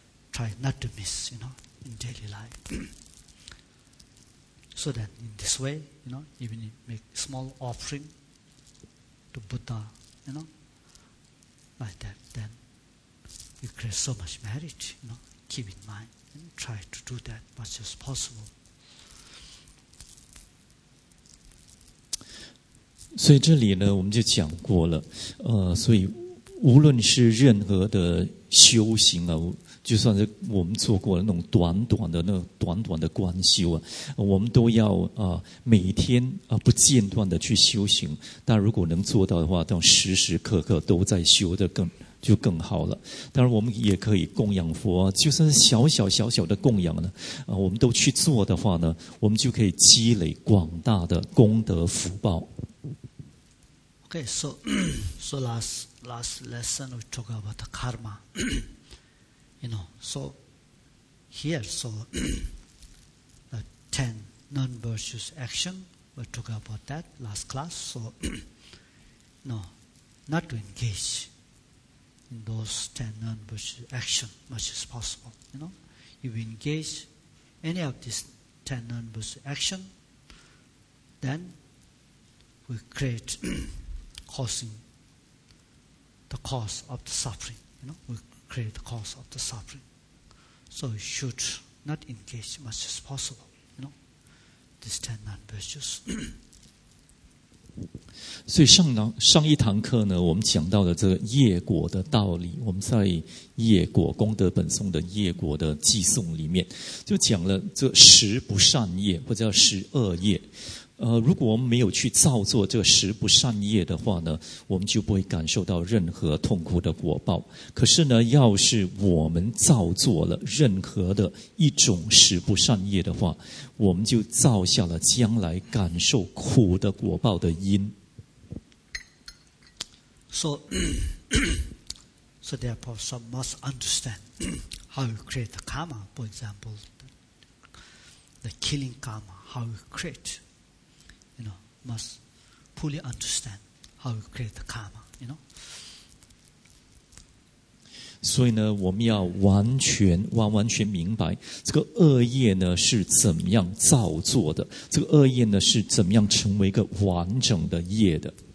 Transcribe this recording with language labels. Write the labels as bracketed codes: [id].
[en] Try not to miss, you know, in daily life. So that in this way, you know, even if you make small offering to Buddha, you know, like that, then you create so much merit, you know, keep in mind and try to do that as much as possible. [zh] 所以这里呢，我们就讲过了，所以无论是任何的修行啊，就算是我们做过的那种短短的那种短短的观修啊，我们都要每天不间断的去修行。但如果能做到的话，都时时刻刻都在修的更好了。当然我们也可以供养佛，就算是小小的供养呢，我们都去做的话呢，我们就可以积累广大的功德福报。 [en] Okay, so last lesson we talk about the karma. You know, so here, so the 10 non-virtuous action, we talked about that last class. So, no, not to engage in those 10 non-virtuous action as much as possible. You know, if we engage any of these 10 non-virtuous action, then we create the cause of the suffering. You know, we create the cause of the suffering. So we should not engage as much as possible, you know, these 10 non-virtues. [zh] 所以上一堂课呢，我们讲到的这个业果的道理，我们在业果功德本颂的业果的记诵里面，就讲了这十不善业，或者叫十恶业。如果我们没有去造作这个十不善业的话呢，我们就不会感受到任何痛苦的果报。可是呢，要是我们造作了任何的一种十不善业的话，我们就造下了将来感受苦的果报的因。 [en] So therefore, some must understand how you create the karma. For example, the killing karma, how you create. You know, must fully understand how we create the karma, you know. [zh] 所以呢，我们要完全完完全明白这个恶业呢是怎么样造作的，这个恶业呢是怎么样成为一个完整的业的。